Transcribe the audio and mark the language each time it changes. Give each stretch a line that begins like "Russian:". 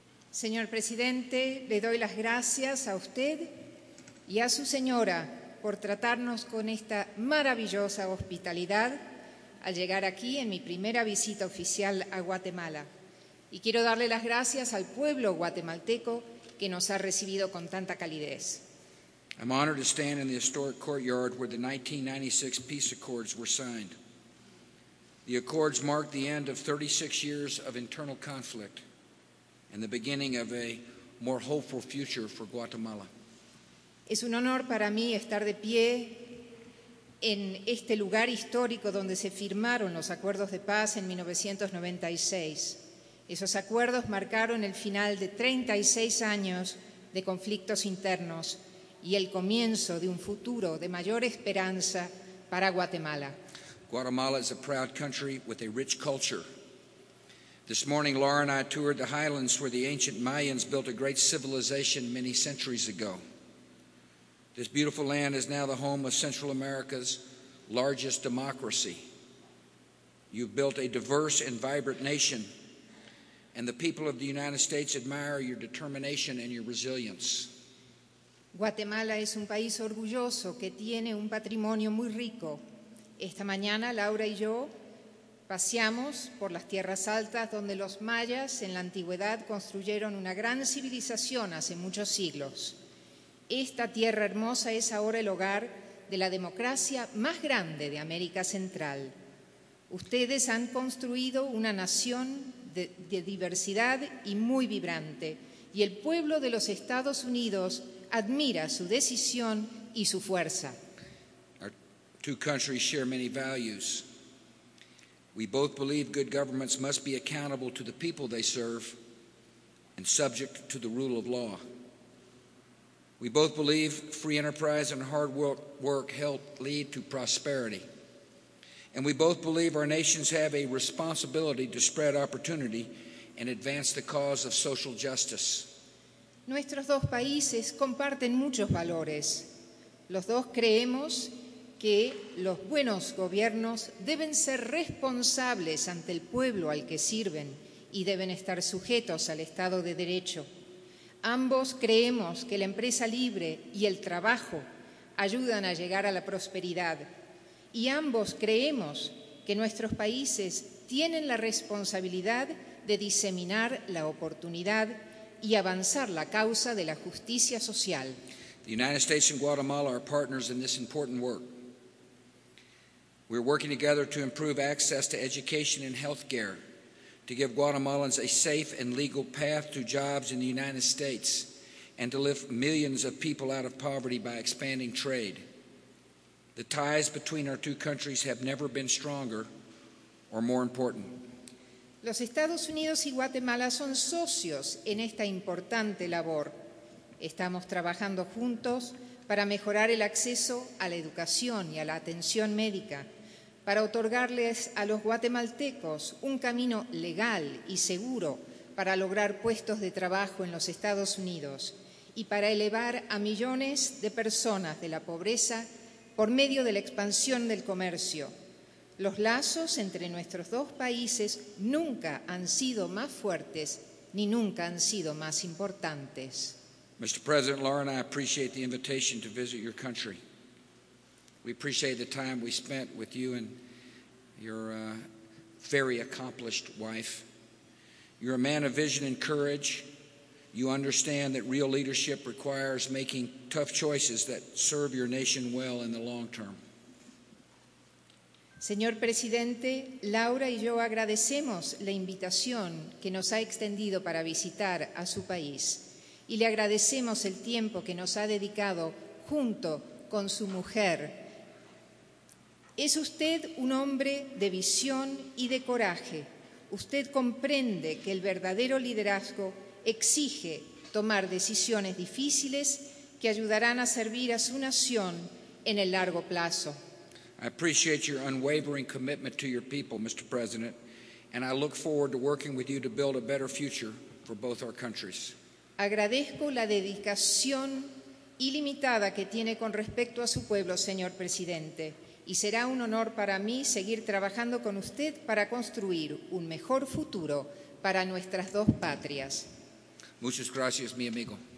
Spanish: Señor Presidente, le doy las gracias a usted y a su señora por tratarnos con esta maravillosa hospitalidad al llegar aquí en mi primera visita oficial a Guatemala. Y quiero darle las gracias al pueblo guatemalteco que nos ha recibido con tanta calidez.
English: I'm honored to stand in the historic courtyard where the 1996 peace accords were signed. The accords mark the end of 36 years of internal conflict and the beginning of a more hopeful future for Guatemala.
Spanish: Es un honor para mí estar de pie en este lugar histórico donde se firmaron los acuerdos de paz en 1996. Esos acuerdos marcaron el final de 36 años de conflictos internos y el comienzo de un futuro de mayor esperanza para Guatemala.
English: Guatemala is a proud country with a rich culture. This morning, Laura and I toured the highlands where the ancient Mayans built a great civilization many centuries ago. This beautiful land is now the home of Central America's largest democracy. You've built a diverse and vibrant nation, and the people of the United States admire your determination and your resilience.
Spanish: Guatemala es un país orgulloso que tiene un patrimonio muy rico. Esta mañana, Laura y yo paseamos por las tierras altas donde los mayas en la antigüedad construyeron una gran civilización hace muchos siglos. Esta tierra hermosa es ahora el hogar de la democracia más grande de América Central. Ustedes han construido una nación de diversidad y muy vibrante, y el pueblo de los Estados Unidos admira su decisión y su fuerza.
English: Our two countries share many values. We both believe good governments must be accountable to the people they serve and subject to the rule of law. We both believe free enterprise and hard work help lead to prosperity. And we both believe our nations have a responsibility to spread opportunity and advance the cause of social justice.
Spanish: Nuestros dos países comparten muchos valores. Los dos creemos que los buenos gobiernos deben ser responsables ante el pueblo al que sirven y deben estar sujetos al Estado de Derecho. Ambos creemos que la empresa libre y el trabajo ayudan a llegar a la prosperidad. Y ambos creemos que nuestros países tienen la responsabilidad de diseminar la oportunidad y avanzar la causa de la justicia social.
English: The United States and Guatemala are partners in this important work. We're working together to improve access to education and health care, to give Guatemalans a safe and legal path to jobs in the United States, and to lift millions of people out of poverty by expanding trade. The ties between our two countries have never been stronger or more important.
Spanish: Los Estados Unidos y Guatemala son socios en esta importante labor. Estamos trabajando juntos para mejorar el acceso a la educación y a la atención médica, para otorgarles a los guatemaltecos un camino legal y seguro para lograr puestos de trabajo en los Estados Unidos y para elevar a millones de personas de la pobreza por medio de la expansión del comercio. Los lazos entre nuestros dos países nunca han sido más fuertes ni nunca han sido más importantes.
English: Mr. President, Laura and I appreciate the invitation to visit your country. We appreciate the time we spent with you and your very accomplished wife. You're a man of vision and courage. You understand that real leadership requires making tough choices that serve your nation well in the long term.
Spanish: Señor Presidente, Laura y yo agradecemos la invitación que nos ha extendido para visitar a su país y le agradecemos el tiempo que nos ha dedicado junto con su mujer. Es usted un hombre de visión y de coraje. Usted comprende que el verdadero liderazgo exige tomar decisiones difíciles que ayudarán a servir a su nación en el largo plazo.
English: I appreciate your unwavering commitment to your people, Mr. President, and I look forward to working with you to build a better future for both our countries.
Spanish: Agradezco la dedicación ilimitada que tiene con respecto a su pueblo, señor presidente, y será un honor para mí seguir trabajando con usted para construir un mejor futuro para nuestras dos patrias. Muchas gracias, mi amigo.